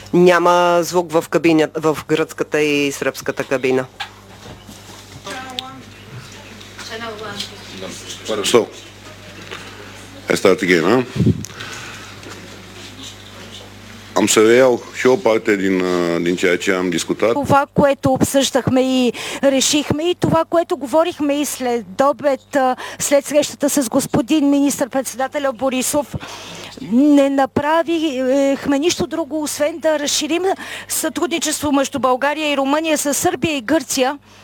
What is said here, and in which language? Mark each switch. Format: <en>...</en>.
<bg>Няма звук в кабина, в гръцката и сръбската кабина.</bg> <en>So, I start again,</en> <ro>Am să reiau și o parte din ceea ce am discutat.</ro> <bg>Това, което обсъждахме и решихме, и това, което говорихме и след обед, след срещата с господин министър-председателя Борисов, не направихме нищо друго, освен да разширим сътрудничество между България и Румъния, със Сърбия и Гърция.</bg>